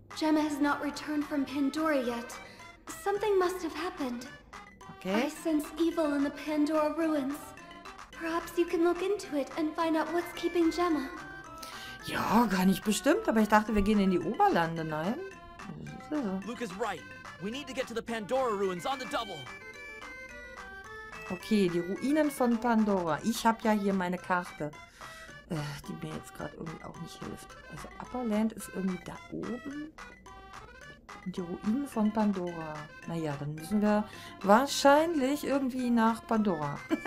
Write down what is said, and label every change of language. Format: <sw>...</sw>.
<en>Gemma has not returned from Pandora yet. Something must have happened. Okay. I sense evil in the Pandora ruins. Perhaps you can look into it and find out what's keeping Gemma.</en> <de>Ja, gar nicht bestimmt, aber ich dachte, wir gehen in die Oberlande, nein?</de> <en>So. Luke is right. We need to get to the Pandora ruins on the double.</en> <de>Okay, die Ruinen von Pandora. Ich habe ja hier meine Karte. Die mir jetzt gerade irgendwie auch nicht hilft. Also Upperland ist irgendwie da oben. Und die Ruinen von Pandora. Naja, dann müssen wir wahrscheinlich irgendwie nach Pandora.</de>